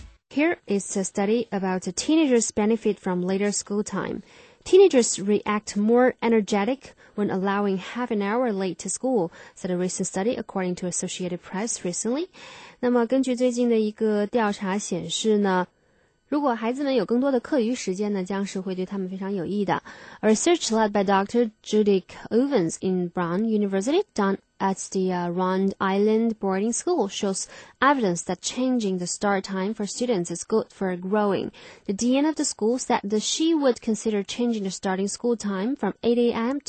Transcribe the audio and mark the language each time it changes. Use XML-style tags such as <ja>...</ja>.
<en>Here is a study about a teenager's benefit from later school time. Teenagers react more energetic when allowing half an hour late to school, said a recent study according to Associated Press recently.</en> <zh>那么根据最近的一个调查显示呢，如果孩子们有更多的课余时间呢，将是会对他们非常有益的。</zh> <en>A research led by Dr. Judith Owens in Brown University done at the Rhode Island boarding school shows evidence that changing the start time for students is good for growing. The dean of the school said that she would consider changing the starting school time from 8 a.m.</en>